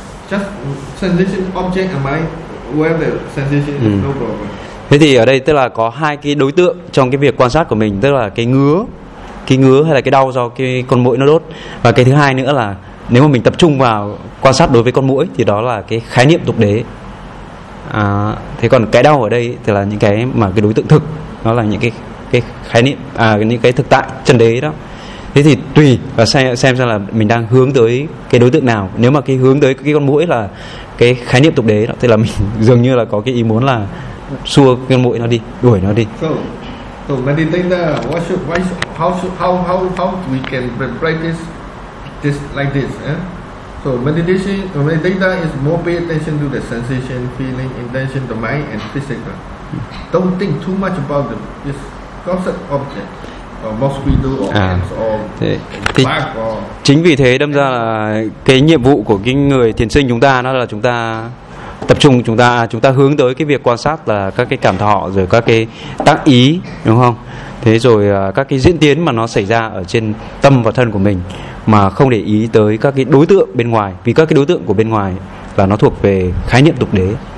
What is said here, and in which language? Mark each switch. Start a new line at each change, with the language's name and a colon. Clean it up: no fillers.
English: Just sensation object and mind aware of the sensation. No problem.
Vietnamese: Thế thì ở đây tức là có hai cái đối tượng trong cái việc quan sát của mình, tức là cái ngứa hay là cái đau do cái con muỗi nó đốt, và cái thứ hai nữa là nếu mà mình tập trung vào quan sát đối với con muỗi thì đó là cái khái niệm tục đế. Thế còn cái đau ở đây thì là những cái mà cái đối tượng thực, nó là những cái khái niệm, những cái thực tại chân đế đó. Thế thì tùy và xem là mình đang hướng tới cái đối tượng nào. Nếu mà cái hướng tới cái con muỗi là cái khái niệm tục đế đó, thì là mình dường như là có cái ý muốn là xua cái con muỗi nó đi, đuổi nó đi.
English: So meditator, how we can practice this like this? So meditator is more pay attention to the sensation, feeling, intention, the mind and physical. Don't think too much about this concept object, or mosquito or ants or bug.
Vietnamese: Chính vì thế đâm ra là cái nhiệm vụ của cái người thiền sinh chúng ta nó là chúng ta tập trung, chúng ta hướng tới cái việc quan sát là các cái cảm thọ rồi các cái tác ý, đúng không? Thế rồi các cái diễn tiến mà nó xảy ra ở trên tâm và thân của mình, mà không để ý tới các cái đối tượng bên ngoài, vì các cái đối tượng của bên ngoài là nó thuộc về khái niệm tục đế.